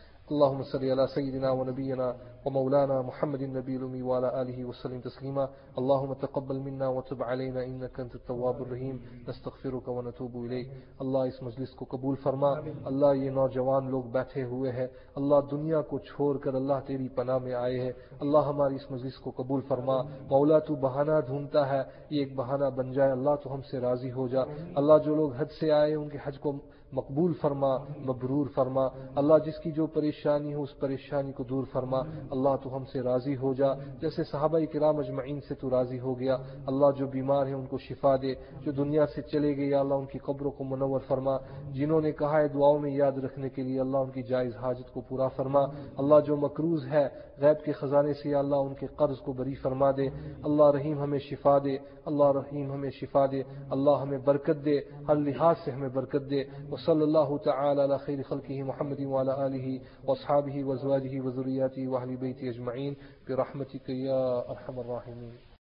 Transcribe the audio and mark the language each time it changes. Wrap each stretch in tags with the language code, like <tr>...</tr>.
<ar>اللهم صل على سيدنا ونبينا ومولانا محمد النبي الأمي وعلى آله وسلم تسليما. اللهم تقبل منا وتب علينا إنك أنت التواب الرحيم. نستغفرك ونتوب إليك.</ar> <ur>الله اس مجلس کو قبول فرما. اللہ یہ نوجوان لوگ بیٹھے ہوئے ہیں, اللہ دنیا کو چھوڑ کر اللہ تیری پناہ میں آئے ہیں. اللہ ہماری اس مجلس کو قبول فرما. مولا تو بہانہ ڈھونڈتا ہے, یہ ایک بہانہ بن جائے. اللہ تو ہم سے راضی ہو جا. اللہ جو لوگ حج سے آئے ان کے حج کو مقبول فرما, مبرور فرما. اللہ جس کی جو پریشانی ہو اس پریشانی کو دور فرما. اللہ تو ہم سے راضی ہو جا, جیسے صحابہ کرام اجمعین سے تو راضی ہو گیا. اللہ جو بیمار ہیں ان کو شفا دے, جو دنیا سے چلے گئے یا اللہ ان کی قبروں کو منور فرما. جنہوں نے کہا ہے دعاؤں میں یاد رکھنے کے لیے, اللہ ان کی جائز حاجت کو پورا فرما. اللہ جو مقروض ہے غیب کے خزانے سے, اللہ ان کے قرض کو بری فرما دے. اللہ رحیم ہمیں شفا دے, اللہ رحیم ہمیں شفا دے, اللہ ہمیں برکت دے, ہر لحاظ سے ہمیں برکت دے.</ur> <ar>صلى الله تعالى على خير خلقه محمد وعلى آله وأصحابه وزواجه وذرياته وأهل بيته أجمعين برحمتك يا أرحم الراحمين.</ar>